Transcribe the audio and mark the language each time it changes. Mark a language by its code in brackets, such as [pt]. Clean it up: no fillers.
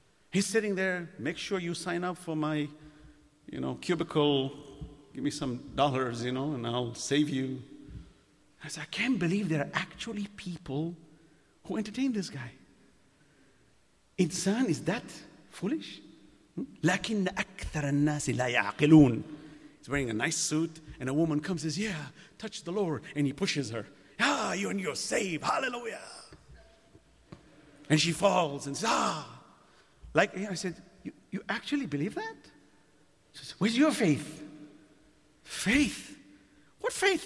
[en] He's sitting there, make sure you sign up for my, you know, cubicle. Give me some dollars, you know, and I'll save you. I said, I can't believe there are actually people who entertain this guy. Insan, is that foolish? [ar] لكن أكثر الناس لا يعقلون. [en] He's wearing a nice suit, and a woman comes and says, yeah, touch the Lord, and he pushes her. Ah, you're saved, hallelujah. And she falls and says, ah. Like, I said, you actually believe that? She says, where's your faith? Faith? What faith?